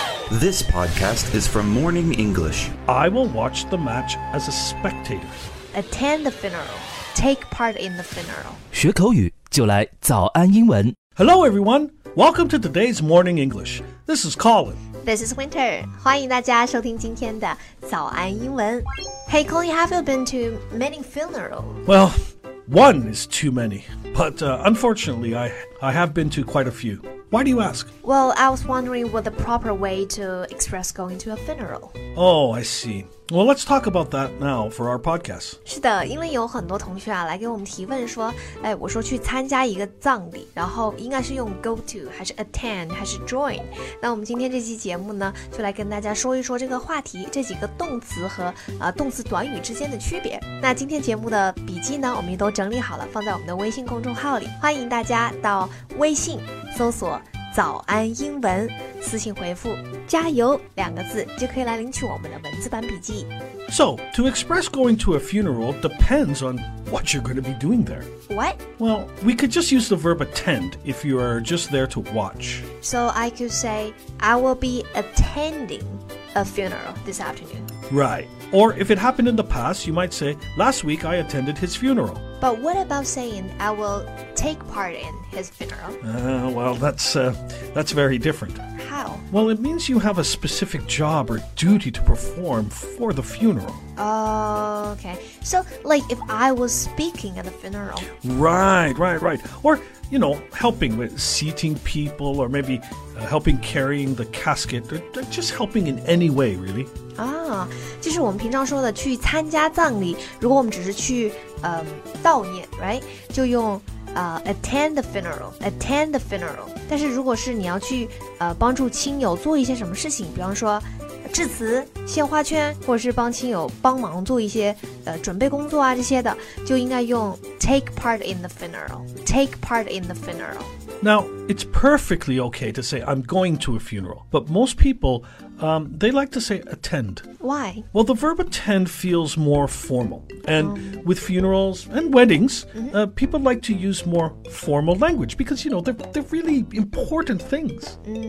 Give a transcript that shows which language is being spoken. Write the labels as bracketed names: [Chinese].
[English] This podcast is from Morning English. I will watch the match as a spectator. Attend the funeral. Take part in the funeral. [Chinese] 学口语就来早安英文。 [English] Hello everyone. Welcome to today's Morning English. This is Colin. This is Winter. [Chinese] 欢迎大家收听今天的早安英文。 [English] Hey Colin, have you been to many funerals? Well, one is too many. But unfortunately, I have been to quite a few. Why do you ask? Well, I was wondering what the proper way to express going to a funeral. Oh, I see. Well, let's talk about that now for our podcast. [Chinese] 是的，因为有很多同学啊来给我们提问说，哎，我说去参加一个葬礼，然后应该是用 go to 还是 attend 还是 join？那我们今天这期节目呢，就来跟大家说一说这个话题，这几个动词和动词短语之间的区别。那今天节目的笔记呢，我们也都整理好了，放在我们的微信公众号里，欢迎大家到微信搜索。早安英文私信回复加油两个字就可以来领取我们的文字版笔记 [English] So, to express going to a funeral depends on what you're going to be doing there. What? Well, we could just use the verb attend if you are just there to watch. So I could say, I will be attending a funeral this afternoon. Right. Or if it happened in the past, you might say, last week I attended his funeral. But what about saying, I will take part in his funeral? Well, that's very different. How? Well, it means you have a specific job or duty to perform for the funeral. Okay. So, like, if I was speaking at the funeral. Right. Or, you know, helping with seating people or maybe helping carrying the casket. Or just helping in any way, really. [Chinese] 就是我们平常说的去参加葬礼如果我们只是去悼念 right 就用 [English] attend the funeral [Chinese] 但是如果是你要去帮助亲友做一些什么事情比方说致辞献花圈或者是帮亲友帮忙做一些准备工作啊这些的就应该用 [English] take part in the funeral Now, it's perfectly okay to say I'm going to a funeral, but most people, they like to say attend. Why? Well, the verb attend feels more formal. And with funerals and weddings, people like to use more formal language because, you know, they're really important things.